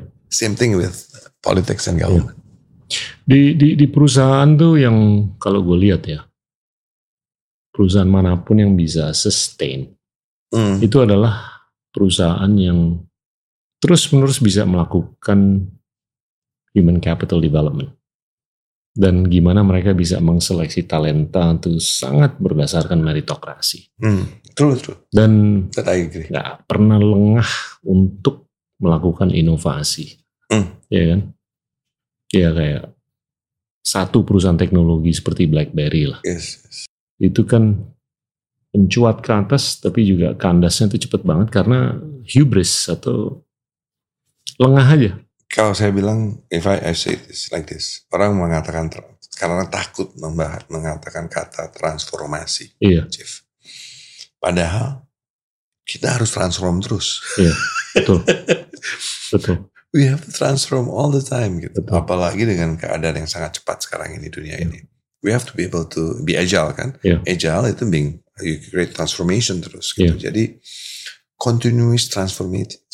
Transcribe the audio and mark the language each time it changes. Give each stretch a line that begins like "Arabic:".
English: Same thing with politics and government.
Indonesian: Di perusahaan tuh yang kalau gue lihat ya, perusahaan manapun yang bisa sustain, itu adalah perusahaan yang terus-menerus bisa melakukan human capital development. Dan gimana mereka bisa mengseleksi talenta itu sangat berdasarkan meritokrasi.
English: True.
Indonesian: Dan
English: that I agree.
Indonesian: Gak pernah lengah untuk melakukan inovasi. Iya kan? Ya kayak satu perusahaan teknologi seperti BlackBerry lah.
English: Yes.
Indonesian: Itu kan mencuat ke atas tapi juga kandasnya itu cepat banget karena hubris atau lengah aja. Kalau saya bilang,
English: if I say this like this,
Indonesian: orang mengatakan karena takut mengatakan kata transformasi. Iya. Chief. Padahal kita harus transform terus. Iya. Betul.
English: We have to transform all the time
Indonesian: gitu. Betul. Apalagi dengan keadaan yang sangat cepat sekarang ini dunia ini.
English: We have to be able to be agile kan? Yeah. Agile
Indonesian: itu
English: being you create transformation
Indonesian: terus gitu.
English: Yeah.
Indonesian: Jadi
English: continuous transforming.